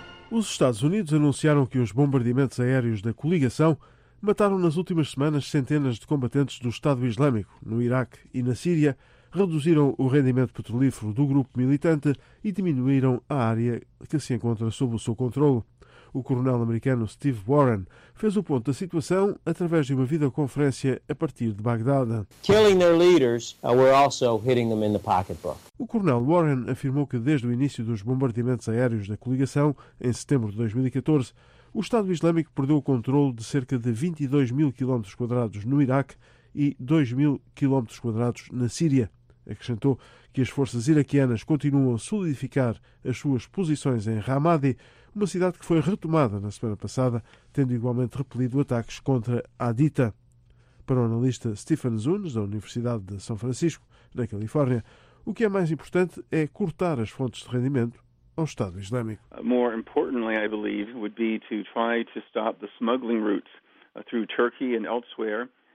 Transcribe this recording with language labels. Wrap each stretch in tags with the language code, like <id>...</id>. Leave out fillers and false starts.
<pt>Os Estados Unidos anunciaram que os bombardeamentos aéreos da coligação mataram nas últimas semanas centenas de combatentes do Estado Islâmico no Iraque e na Síria, reduziram o rendimento petrolífero do grupo militante e diminuíram a área que se encontra sob o seu controle. O coronel americano Steve Warren fez o ponto da situação através de uma videoconferência a partir de Bagdad.</pt> <en>Killing their leaders, we're also hitting them in the pocketbook.</en> <pt>O coronel Warren afirmou que desde o início dos bombardeamentos aéreos da coligação, em setembro de 2014, o Estado Islâmico perdeu o controle de cerca de 22 mil km² no Iraque e 2 mil km² na Síria. Acrescentou que as forças iraquianas continuam a solidificar as suas posições em Ramadi, uma cidade que foi retomada na semana passada, tendo igualmente repelido ataques contra a dita. Para o analista Stephen Zunes, da Universidade de São Francisco, na Califórnia, o que é mais importante é cortar as fontes de rendimento ao Estado Islâmico.</pt> <en>More importantly, I believe, would be to try to stop the smuggling routes through Turkey and elsewhere.</en>